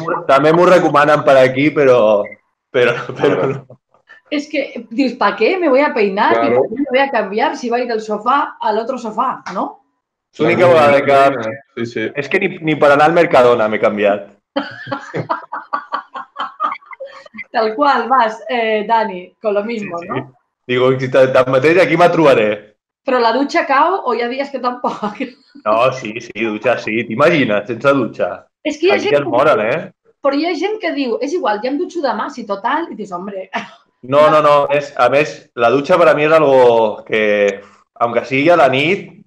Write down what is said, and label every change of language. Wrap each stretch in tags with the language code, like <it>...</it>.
<ca>També m'ho recomanen per aquí, però no. És que dius, per què?</ca> <es>Me voy a peinar, claro. Y me voy a cambiar</es> <ca>si vaig del sofà a l'altre sofà, no? L'única vegada que... És que ni per anar al Mercadona m'he canviat. Tal qual, vas,</ca> <es>Dani, con lo mismo, sí, sí.</es> <ca>No? Digo, tanmateix aquí me trobaré. Però la dutxa cau o hi ha dies que tampoc? No, sí, dutxa sí. T'imagines, sense dutxa. És que hi ha aquí gent... Aquí es moren, Però hi ha gent que diu, és igual, ja em dutxo demà, si total, i dius, hombre... No. A més, la dutxa per a mi és algo que, aunque sigui a la nit...</ca>